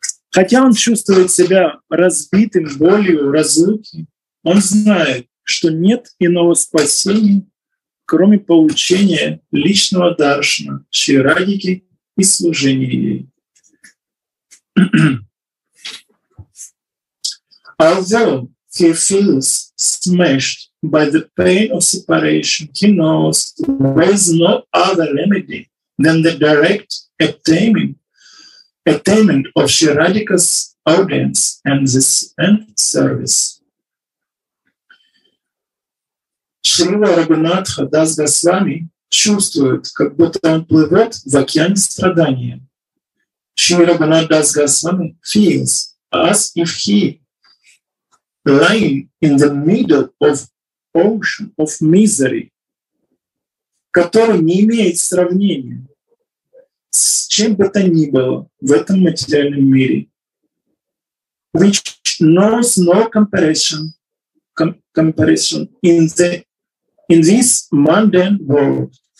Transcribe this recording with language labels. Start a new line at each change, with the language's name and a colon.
Russian: Хотя он чувствует себя разбитым, болью, разлуки, он знает, что нет иного спасения, кроме получения личного даршана, Шри Радхики и служения ей.
English: Although he feels smashed by the pain of separation, he knows there is no other remedy than the direct attainment of Sri Radhika's audience and this end service.
Russian: Шрила Рагунатха Дас Госвами чувствует, как будто он плывет в океане страдания.
English: Шрила Рагунат Дас Госвами feels as if he lying in the middle of ocean of misery,
Russian: который не имеет сравнения с чем бы то ни было в этом материальном мире,
English: which knows no comparison in this mundane world.